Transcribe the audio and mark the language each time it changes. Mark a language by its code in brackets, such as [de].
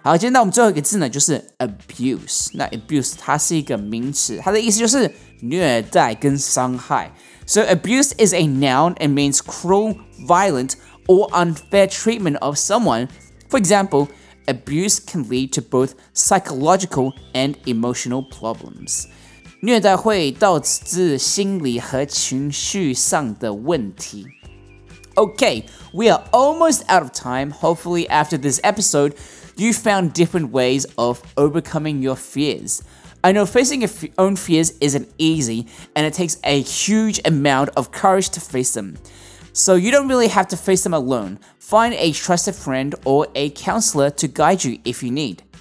[zh] 他的医和速度是正常人的4倍，但还不够快。那可能这个意思就是说，一般人可能说，假如被割伤的话，他可能都要花什么5天来医疗。那这个可能花个3天，但3天还是没有完全好，所以就是还不够快的意思。好，今天到我们最后一个字呢，就是 abuse。那 abuse 它是一个名词，它的意思就是虐待跟伤害。 [en] So abuse is a noun and means cruel, violent, or unfair treatment of someone. For example, abuse can lead to both psychological and emotional problems. [zh] 虐待会导致心理和情绪上的问题。 [en] Okay, we are almost out of time. Hopefully after this episode, you found different ways of overcoming your fears. I know facing your own fears isn't easy, and it takes a huge amount of courage to face them. So you don't really have to face them alone. Find a trusted friend or a counselor to guide you if you need.